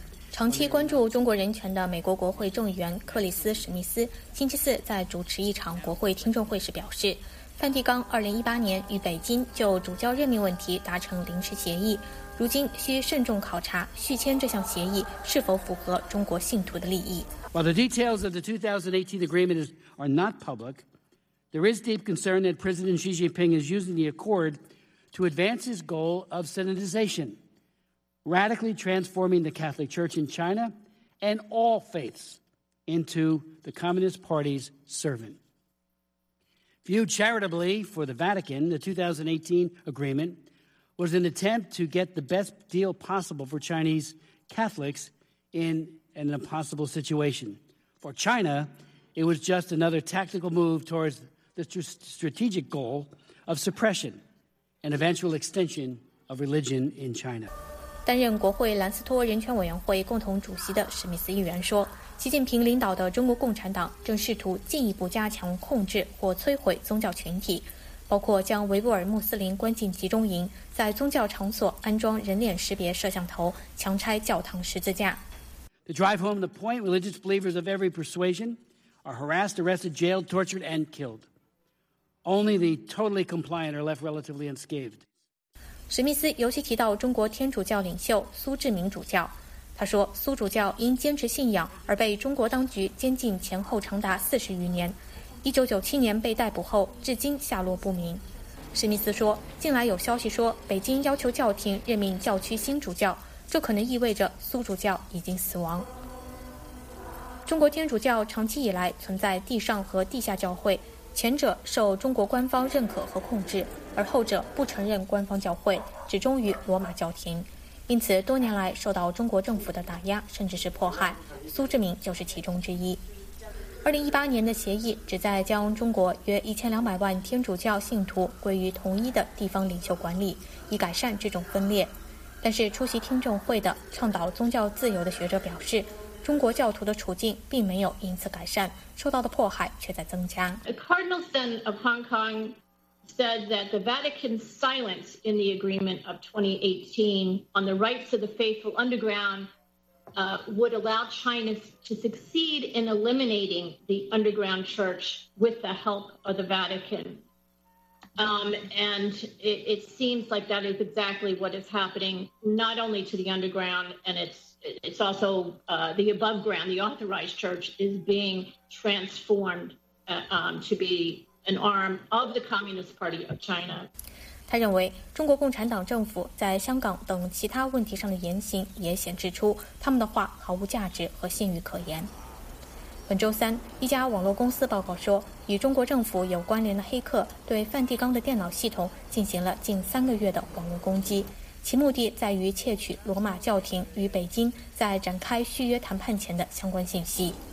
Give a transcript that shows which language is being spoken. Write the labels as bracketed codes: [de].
[zh] 长期关注中国人权的美国国会众议员克里斯·史密斯星期四在主持一场国会听证会时表示，梵蒂冈2018年与北京就主教任命问题达成临时协议，如今需慎重考察续签这项协议是否符合中国信徒的利益。 [en] While the details of the 2018 agreement are not public, there is deep concern that President Xi Jinping is using the accord to advance his goal of sinicization, radically transforming the Catholic Church in China and all faiths into the Communist Party's servant. Viewed charitably for the Vatican, the 2018 agreement. Was an attempt to get the best deal possible for Chinese Catholics in an impossible situation. For China, it was just another tactical move towards the strategic goal of suppression and eventual extension of religion in China. [zh] 担任国会兰斯托人权委员会共同主席的史密斯议员说，习近平领导的中国共产党正试图进一步加强控制或摧毁宗教群体。包括将维吾尔穆斯林关进集中营，在宗教场所安装人脸识别摄像头，强拆教堂十字架。 [en] To drive home the point, religious believers of every persuasion are harassed, arrested, jailed, tortured, and killed. Only the totally compliant are left relatively unscathed. [zh] 史密斯尤其提到中国天主教领袖苏志明主教，他说苏主教因坚持信仰而被中国当局监禁前后长达40余年，1997年被逮捕后至今下落不明。史密斯说，近来有消息说北京要求教廷任命教区新主教，这可能意味着苏主教已经死亡。中国天主教长期以来存在地上和地下教会，前者受中国官方认可和控制，而后者不承认官方教会，只忠于罗马教廷，因此多年来受到中国政府的打压甚至是迫害，苏志明就是其中之一。 2018年的协议旨在将中国约1200万天主教信徒归于统一的地方领袖管理，以改善这种分裂。但是出席听证会的倡导宗教自由的学者表示，中国教徒的处境并没有因此改善，受到的迫害却在增加。 [en] A cardinal then of Hong Kong said that the Vatican's silence in the agreement of 2018 on the rights of the faithful underground would allow China to succeed in eliminating the underground church with the help of the Vatican. And it seems like that is exactly what is happening, not only to the underground and it's also the above ground, the authorized church is being transformed to be an arm of the Communist Party of China. [zh] 他认为中国共产党政府在香港等其他问题上的言行也显示出他们的话毫无价值和信誉可言。本周三，一家网络公司报告说，与中国政府有关联的黑客对梵蒂冈的电脑系统进行了近3个月的网络攻击，其目的在于窃取罗马教廷与北京在展开续约谈判前的相关信息。